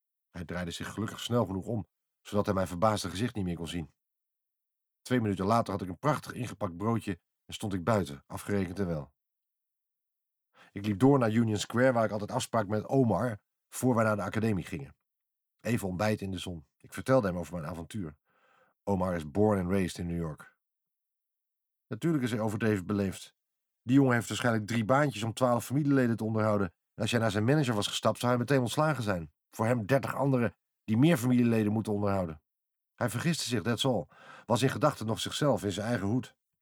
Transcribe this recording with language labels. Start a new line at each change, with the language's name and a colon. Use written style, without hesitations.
Dutch: Hij draaide zich gelukkig snel genoeg om, zodat hij mijn verbaasde gezicht niet meer kon zien. 2 minuten later had ik een prachtig ingepakt broodje en stond ik buiten, afgerekend en wel. Ik liep door naar Union Square, waar ik altijd afsprak met Omar, voor wij naar de academie gingen. Even ontbijt in de zon. Ik vertelde hem over mijn avontuur.
English: Omar is born and raised in New York.
Dutch: Natuurlijk is hij overdreven beleefd. Die jongen heeft waarschijnlijk 3 baantjes om 12 familieleden te onderhouden. En als jij naar zijn manager was gestapt, zou hij meteen ontslagen zijn. Voor hem 30 anderen die meer familieleden moeten onderhouden. Hij vergiste zich,
English: that's all.
Dutch: Was in gedachten nog zichzelf, in zijn eigen hoed.